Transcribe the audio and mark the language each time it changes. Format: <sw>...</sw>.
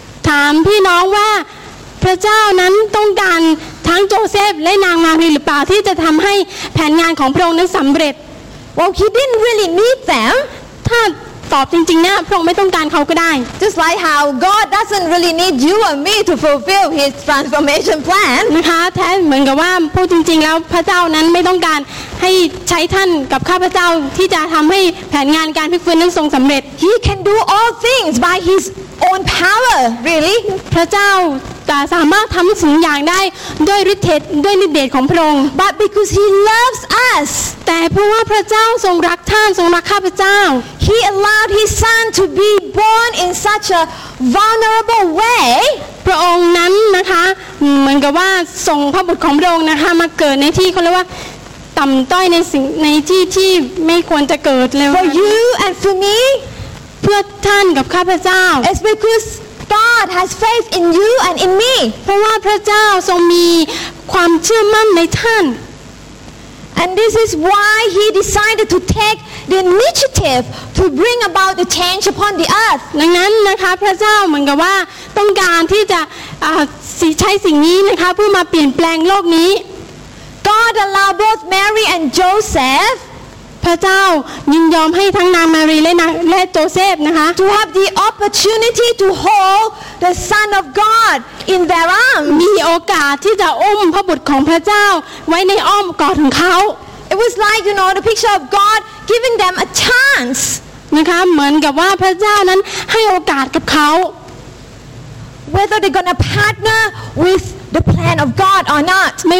<th>ถามพี่น้องว่าพระเจ้านั้นต้องการทั้งโจเซฟและนางมารีหรือเปล่าที่จะทำให้แผนงานของพระองค์นั้นสำเร็จ</th> <en>Well he didn't really need them</en> <th>ถ้าตอบจริงๆนะพระองค์ไม่ต้องการเขาก็ได้</th> <en>Just like how God doesn't really need you or me to fulfill his transformation plan</en> <th>นะคะแท้เหมือนกับว่าพูดจริงๆแล้วพระเจ้านั้นไม่ต้องการให้ใช้ท่านกับข้าพเจ้าที่จะทำให้แผนงานการพลิกฟื้นนั้นทรงสำเร็จ</th> <en>He can do all things by his own power really</en> <th>พระเจ้าแต่สามารถทำสิ่งอย่างได้ด้วยฤทธิ์ด้วยฤทธิ์เดชของพระองค์</th> <en>But because he loves us</en> <th>แต่เพราะว่าพระเจ้าทรงรักท่านทรงรักข้าพเจ้า</th> <en>He allowed his son to be born in such a vulnerable way</en> <th>พระองค์นั้นนะคะเหมือนกับว่าส่งพระบุตรของพระองค์นะคะมาเกิดในที่เขาเรียกว่าต่ำต้อยในที่ไม่ควรจะเกิดเลย</th> <en>For you and for me</en> <th>เพื่อท่านกับข้าพเจ้า</th> <en>It's becauseGod has faith in you and in me.</en> <th>เพราะว่าพระเจ้าทรงมีความเชื่อมั่นในท่าน</th> <en>And this is why he decided to take the initiative to bring about the change upon the earth.</en> <th>ดังนั้นนะคะพระเจ้าเหมือนกับว่าต้องการที่จะใช้สิ่งนี้นะคะเพื่อมาเปลี่ยนแปลงโลกนี้</th> <en>God allowed both Mary and Joseph</en> <th>พระเจ้ายินยอมให้ทั้งนางมารีและโจเซฟนะคะ</th> <en>to have the opportunity to hold the son of God in their arms</en> <th>มีโอกาสที่จะอุ้มพระบุตรของพระเจ้าไว้ในอ้อมกอดของเขา</th> <en>it was like you know the picture of God giving them a chance</en> <th>นะคะเหมือนกับว่าพระเจ้านั้นให้โอกาสกับเขา</th> <en>whether they're gonna partner with the plan of God or not</en>